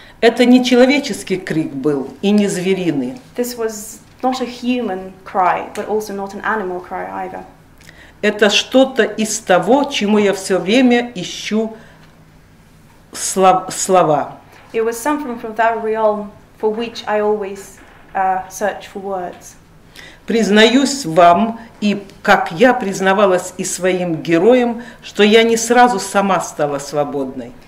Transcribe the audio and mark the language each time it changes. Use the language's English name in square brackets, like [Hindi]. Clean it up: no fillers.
[Russian] Это не человеческий крик был и не звериный. [English] This was not a human cry, but also not an animal cry either. [Russian] Это что-то из того, чему я все время ищу слова. [English] It was something from that realm for which I always search for words. [Russian] Признаюсь вам, и как я признавалась и своим героям, что я не сразу сама стала свободной.